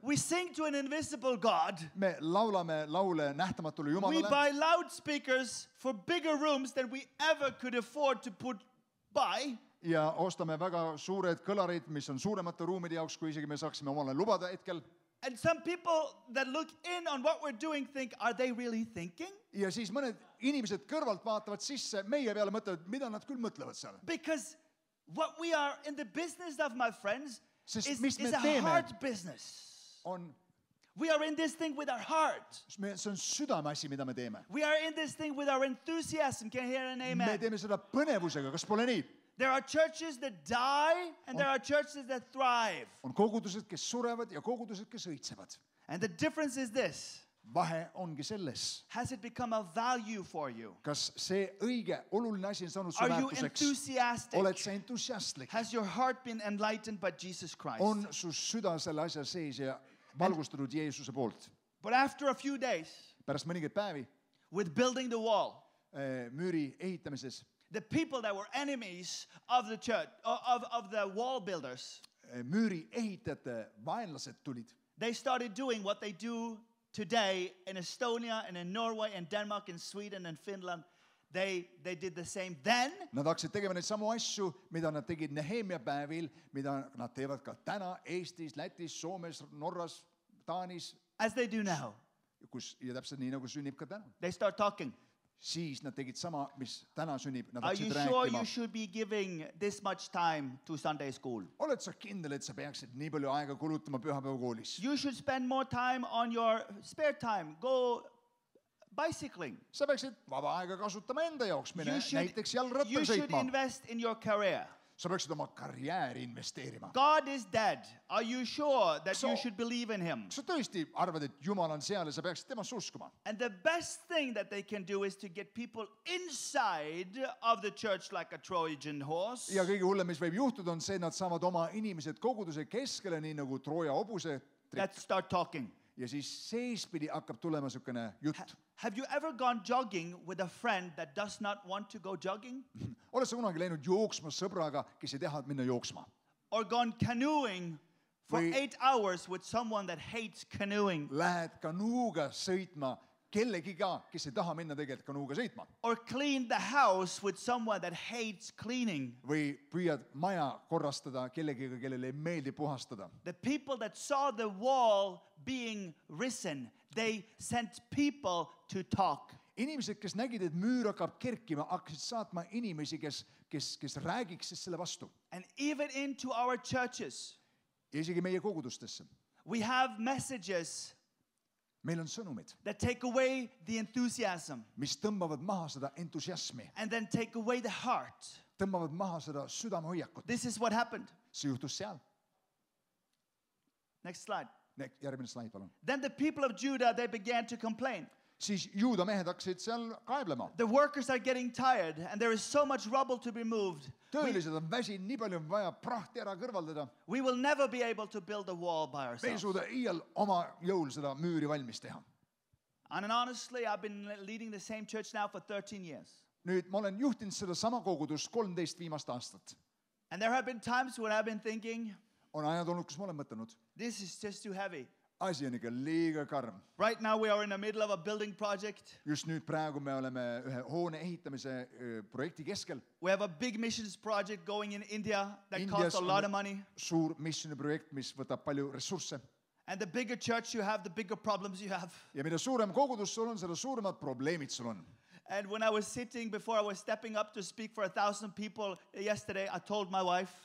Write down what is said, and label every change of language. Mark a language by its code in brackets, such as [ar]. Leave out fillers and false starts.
[en] We sing to an invisible God. [et] Me laulame laule nähtamatule Jumalale. [en] We buy loudspeakers for bigger rooms than we ever could afford to put by. [et] Ja ostame väga suured kõlarid, mis on suuremate ruumide jaoks, kui isegi me saaksime omale lubada hetkel. [en] And some people that look in on what we're doing think, are they really thinking? [et] Ja siis mõned inimesed kõrvalt vaatavad sisse meie peale mõtlevad, mida nad küll mõtlevad seal. [en] Because what we are in the business of, my friends, [et] sest [en] is [et] me [en] a [et] teeme, [en] heart business. [et] On, [en] we are in this thing with our heart. [et] See on südame asi, mida me teeme. [en] We are in this thing with our enthusiasm. Can I hear an amen? [et] Me teeme seda põnevusega, kas pole nii? [en] There are churches that die and there are churches that thrive. [et] On kogudused, kes surevad ja kogudused, kes õitsevad. [en] And the difference is this. [et] Vahe ongi selles. [en] Has it become a value for you? [et] Kas see õige oluline asi on saanud su väärtuseks? Oled sa entusiastlik? [en] Has your heart been enlightened by Jesus Christ? [et] On su süda selle asja sees ja valgustatud Jeesuse poolt? [en] But after a few days, [et] pärast mõningaid päevi, [en] with building the wall, [et] müüri ehitamises, [en] the people that were enemies of the church, of the wall builders, [et] müüri ehitajate vaenlased tulid. [en] They started doing what they do today in Estonia and in Norway and Denmark and Sweden and Finland. They did the same then. [et] Nad hakkasid tegema neid samu asju, mida nad tegid Nehemia päevil, mida nad teevad ka täna Eestis, Lätis, Soomes, Norras, Taanis. [en] As they do now. [et] Kus, ja täpselt nii, nagu sünnib ka täna. [en] They start talking. [et] Siis nad tegid sama, mis täna sünnib. [en] Are you sure [et] rääkima. [en] You should be giving this much time to Sunday school? [et] Oled sa kindel, et sa peaksid nii palju aega kulutama pühapäevakoolis? [en] You should spend more time on your spare time. Go bicycling. [et] Sa peaksid vaba aega kasutama enda jaoks, mine näiteks jalgrattal sõitma. [en] You should invest in your career. [et] Sa peaksid oma karjääri investeerima. [en] God is dead. Are you sure that you should believe in him? [et] Sa tõesti arvad, et Jumal on seal ja sa peaksid tema uskuma. [en] And the best thing that they can do is to get people inside of the church like a Trojan horse. [et] Ja kõige hullem, mis võib juhtuda, on see, et nad saavad oma inimesed koguduse keskele, nii nagu Trooja obuse trik. [en] Let's start talking. [et] Ja siis seespidi hakkab tulema sukkene jutt. [en] Have you ever gone jogging with a friend that does not want to go jogging? [et] Oled sa kunagi läinud jooksma sõbraga, kes ei tahad minna jooksma? [en] Or gone canoeing for 8 hours with someone that hates canoeing? [et] Lähed kanuuga sõitma kellegiga, kes ei taha minna tegelikult kanuuga sõitma? [en] Or clean the house with someone that hates cleaning? [et] Või püüad maja korrastada kellegiga, kellele ei meeldi puhastada? [en] The people that saw the wall being risen, they sent people to talk. [et] Inimesed, kes nägid, et müür hakkab kerkima, hakkasid saatma inimesi, kes räägiks siis selle vastu. [en] And even into our churches. [et] Ja isegi meie kogudustesse. [en] We have messages. [et] Meil on sõnumid. [en] That take away the enthusiasm. [et] Mis tõmbavad maha seda entusiasmi. [en] And then take away the heart. [et] Tõmbavad maha seda südamehoiakut. [en] This is what happened. [et] See juhtus seal. [en] Next slide. [et] Järgmine slaid, palun. [en] Then the people of Judah, they began to complain. [et] Siis juuda mehed hakkasid seal kaeblema. [en] The workers are getting tired and there is so much rubble to be moved. [et] Töölised on väsi, nii palju on vaja prahti ära kõrvaldada. [en] We will never be able to build a wall by ourselves. [et] Me ei suuda iial oma jõul seda müüri valmis teha. [en] And honestly, I've been leading the same church now for 13 years. [et] Nüüd ma olen juhtinud seda sama kogudus 13 viimast aastat. [en] And there have been times when I've been thinking, [et] on ajad olnud, kus ma olen mõtlenud. [en] This is just too heavy. [et] Asi on ikka liiga karm. [en] Right now we are in the middle of a building project. [et] Just nüüd praegu me oleme ühe hoone ehitamise projekti keskel. [en] We have a big missions project going in India that costs a lot of money. [et] Suur missioni projekt, mis võtab palju ressursse. [en] And the bigger church you have, the bigger problems you have. [et] Ja mida suurem kogudus sul on, seda suuremad probleemid sul on. [en] And when I was sitting before I was stepping up to speak for 1,000 people yesterday, I told my wife.